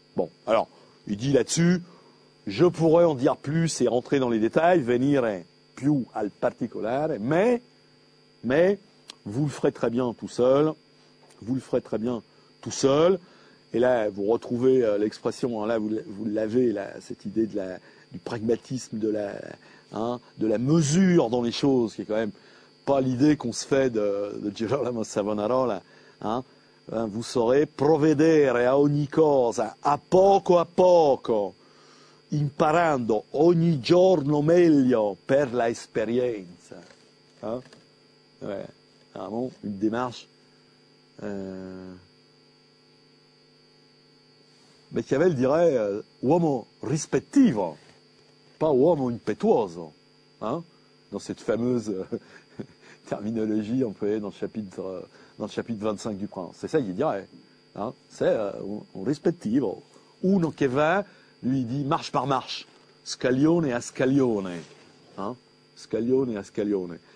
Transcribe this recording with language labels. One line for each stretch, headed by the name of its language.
French: Bon, alors, il dit là-dessus, je pourrais en dire plus et rentrer dans les détails, venir plus au particulier, mais vous le ferez très bien tout seul, vous le ferez très bien tout seul. Et là, vous retrouvez l'expression, hein, là, vous l'avez, là, cette idée du pragmatisme, de la mesure dans les choses, qui est quand même pas l'idée qu'on se fait de Girolamo Savonarola, hein.
Italian: Vous saurez provvedere a ogni cosa, a poco, imparando ogni giorno meglio per la esperienza. Hein?
French: Ouais, vraiment, une démarche. Machiavel dirait
Italian: uomo rispettivo,
French: pas
Italian: uomo impetuoso,
French: hein? Dans cette fameuse terminologie employée dans le chapitre 25 du Prince. C'est ça qu'il dirait. Hein? C'est rispettivo.
Italian: Uno che va,
French: lui, il dit marche par marche.
Italian: Scaglione a scaglione. Hein? Scaglione a scaglione.